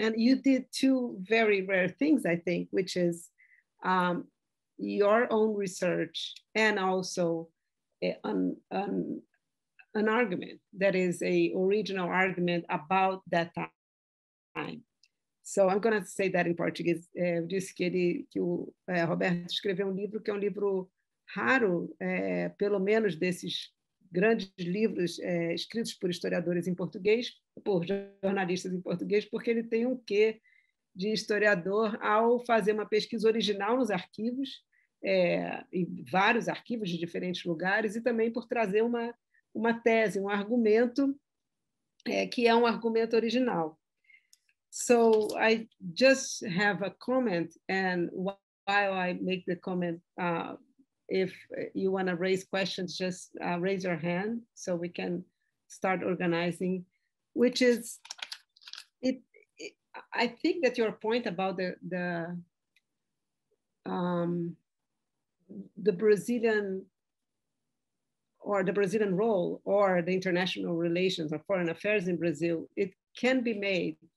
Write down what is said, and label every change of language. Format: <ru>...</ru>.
<en>And you did two very rare things, I think, which is your own research and also an argument that is a original argument about that time. So I'm going to say that in Portuguese.</en> <pt>Eu disse que Roberto escreveu livro que é livro raro, pelo menos desses grandes livros escritos por historiadores em português, por jornalistas em português, porque ele tem um quê de historiador ao fazer uma pesquisa original nos arquivos, em vários arquivos de diferentes lugares, e também por trazer uma tese, um argumento que é um argumento original.</pt> <en>So I just have a comment and while I make the comment, if you want to raise questions, just raise your hand so we can start organizing, which is, I think that your point about the Brazilian or the Brazilian role or the international relations or foreign affairs in Brazil, it can be made</en>